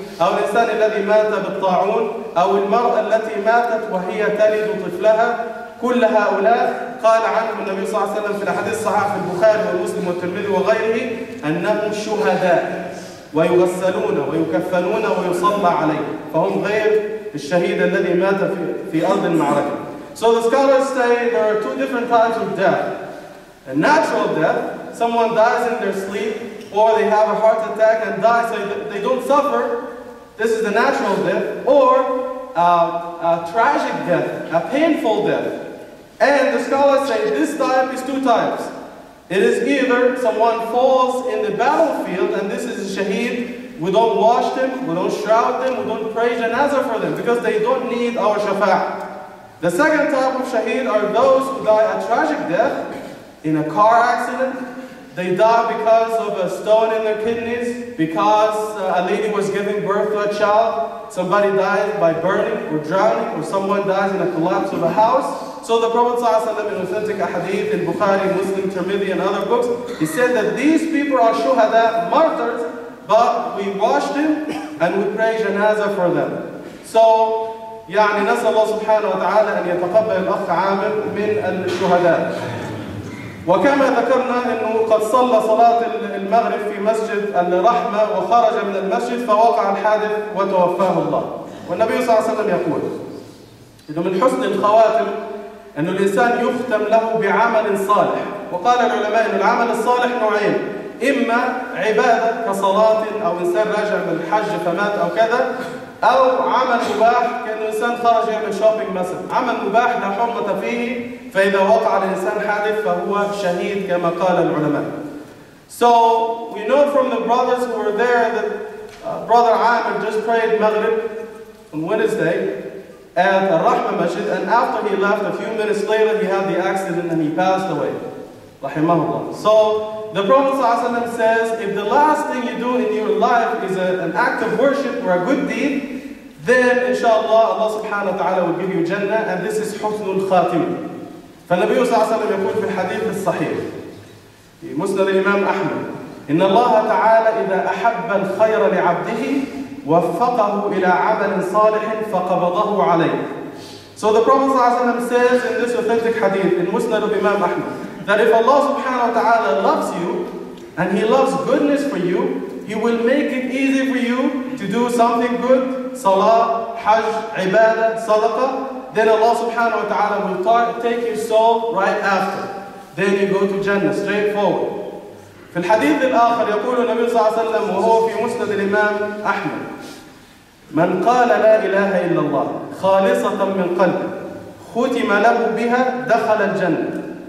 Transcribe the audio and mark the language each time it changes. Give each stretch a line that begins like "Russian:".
Arabic: أو الإنسان الذي مات بالطاعون أو المرأة التي ماتت وهي تلد طفلها. كل هؤلاء قال عنهم النبي صلى الله عليه وسلم في الحديث الصحيح في البخاري ومسلم والترمذي وغيره أنهم شهداء ويغسلون ويكفنون ويصلى عليه. فهم غير الشهيد الذي مات في أرض المعركة.
English: So the scholars say there are two different types of death. A natural death, someone dies in their sleep, or they have a heart attack and die, so they don't suffer. This is the natural death, or a tragic death, a painful death. And the scholars say this type is two types. It is either someone falls in the battlefield, and this is a shaheed, we don't wash them, we don't shroud them, we don't pray janazah for them, because they don't need our shafa'ah. The second type of shaheed are those who die a tragic death, in a car accident. They die because of a stone in their kidneys, because a lady was giving birth to a child. Somebody dies by burning or drowning, or someone dies in a collapse of a house. So the Prophet ﷺ in authentic hadith in Bukhari, Muslim, Tirmidhi, and other books, he said that these people are shuhada, martyrs, but we wash them and we pray janazah for them.
Arabic: So, يعني نسأل الله سبحانه وتعالى أن يتقبل الأخ عامر من الشهداء. وكما ذكرنا أنه قد صلى صلاة المغرب في مسجد الرحمة وخرج من المسجد فوقع الحادث وتوفاه الله. والنبي صلى الله عليه وسلم يقول إنه من حسن الخواتم أن الإنسان يختم له بعمل صالح. وقال العلماء أن العمل الصالح نوعين، إما عبادة كصلاة أو إنسان راجع من الحج فمات أو كذا، أو عمل مباح كأن الإنسان خرج من شوبينج مثلا، عمل مباح لا حرمة فيه، فإذا وقع الإنسان حادث فهو شهيد كما قال العلماء.
English: So we know from the brothers who were there that brother Amir just prayed Maghrib on Wednesday at the Rahma Masjid, and after he left a few minutes later he had the accident and he passed away. Rahimahullah. So the Prophet ﷺ says, if the last thing you do in your life is an act of worship or a good deed, then inshallah Allah subhanahu wa ta'ala will give you Jannah, and this is Husnul Khatim.
Arabic: فالنبي صلى الله عليه وسلم يقول في الحديث الصحيح في مسند الإمام أحمد إن الله تعالى إذا أحب الخير لعبده وفقه إلى عمل صالح فقبضه عليه.
English: So the Prophet
Arabic: صلى الله عليه وسلم
English: says in this authentic hadith in مسند الإمام أحمد that if Allah
Arabic: سبحانه وتعالى
English: loves you and He loves goodness for you, He will make it easy for you to do something good,
Arabic: صلاة, حج, عبادة, صدقة.
English: Then Allah subhanahu wa ta'ala will take your soul right after. Then you go to Jannah, straight forward.
Arabic: في الحديث الآخر يقول النبي صلى الله عليه وسلم وهو في مسند الإمام أحمد من قال لا إله إلا الله خالصة من قلبه ختم له بها دخل الجنة